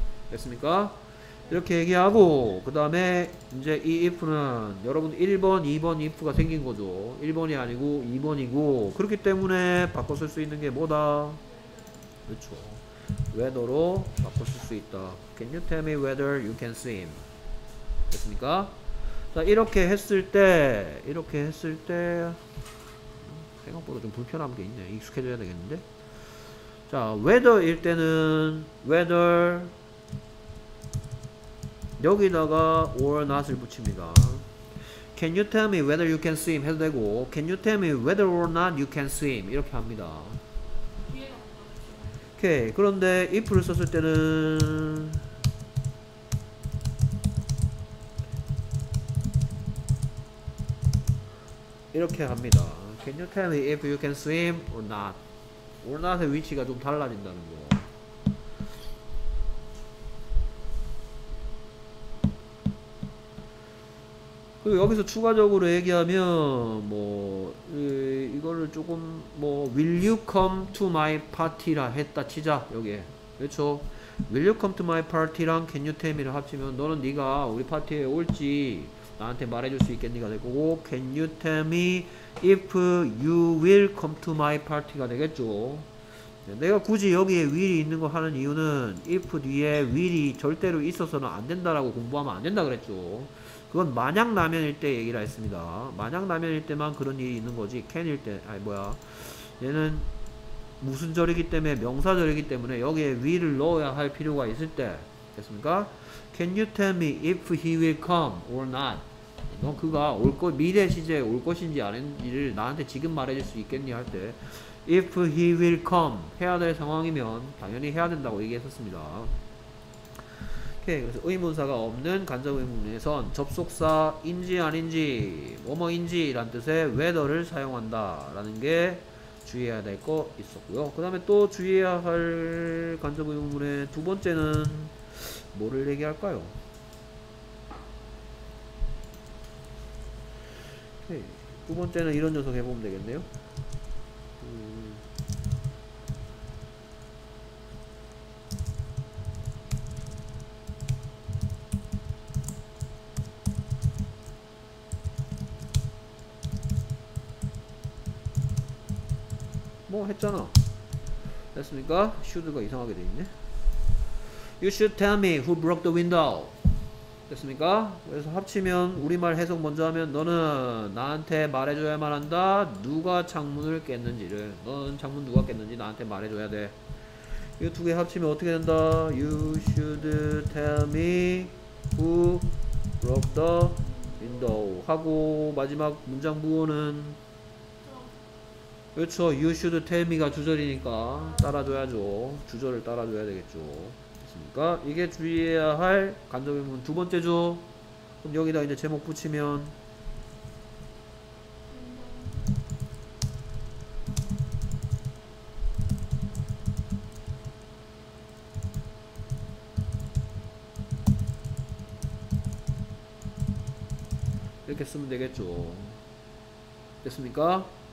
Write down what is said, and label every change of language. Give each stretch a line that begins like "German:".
Korean: 됐습니까? 이렇게 얘기하고 그 다음에 이제 이 if는 여러분 1번 2번 if가 생긴 거죠. 1번이 아니고 2번이고 그렇기 때문에 바꿔 쓸 수 있는 게 뭐다? 그렇죠. whether로 바꿔 쓸 수 있다.
English: Can you tell me whether you can swim?
Korean: 됐습니까? 자, 이렇게 했을 때 생각보다 좀 불편한 게 있네. 익숙해져야 되겠는데. 자, whether일 때는 whether 여기다가 or not을 붙입니다.
English: Can you tell me whether you can swim?
Korean: 해도 되고
English: Can you tell me whether or not you can swim?
Korean: 이렇게 합니다. 오케이. 그런데 if를 썼을 때는 이렇게 합니다.
English: Can you tell me if you can swim or not?
Korean: or not의 위치가 좀 달라진다는 거. 그리고 여기서 추가적으로 얘기하면 뭐 이거를 조금 뭐
English: will you come to my party
Korean: 라 했다 치자. 여기에 그렇죠.
English: Will you come to my party랑 can you tell me를
Korean: 합치면 너는 네가 우리 파티에 올지 나한테 말해줄 수 있겠니가 되고
English: can you tell me if you will come to my party가
Korean: 되겠죠. 내가 굳이 여기에 will이 있는 거 하는 이유는 if 뒤에 will이 절대로 있어서는 안 된다라고 공부하면 안 된다 그랬죠. 그건 만약 나면일 때 얘기를 했습니다. 만약 나면일 때만 그런 일이 있는 거지 can일 때 아니 뭐야 얘는 무슨절이기 때문에 명사절이기 때문에 여기에 will을 넣어야 할 필요가 있을 때 됐습니까?
English: Can you tell me if he will come or not?
Korean: 너 그가 올 거, 미래 시제에 올 것인지 아닌지를 나한테 지금 말해줄 수 있겠니 할 때
English: if he will come
Korean: 해야 될 상황이면 당연히 해야 된다고 얘기했었습니다. 오케이, 그래서 의문사가 없는 간접의문에선 접속사인지 아닌지 뭐뭐인지 라는 뜻의 whether를 사용한다 라는 게 주의해야 될 거 있었고요. 그 다음에 또 주의해야 할 간접의문의 두 번째는 뭐를 얘기할까요? 오케이. 두 번째는 이런 녀석 해보면 되겠네요. 뭐 했잖아. 됐습니까? should가 이상하게 돼있네.
English: You should tell me who broke the window.
Korean: 됐습니까? 그래서 합치면 우리말 해석 먼저 하면 너는 나한테 말해줘야만 한다. 누가 창문을 깼는지를. 너는 창문 누가 깼는지 나한테 말해줘야 돼. 이 두 개 합치면 어떻게 된다?
English: You should tell me who broke the window.
Korean: 하고 마지막 문장 부호는 그렇죠.
English: You should tell me
Korean: 가 주절이니까 따라줘야죠. 주절을 따라줘야 되겠죠. 됐습니까? 이게 주의해야 할 간접의문 두 번째죠. 그럼 여기다 이제 제목 붙이면 이렇게 쓰면 되겠죠. 됐습니까?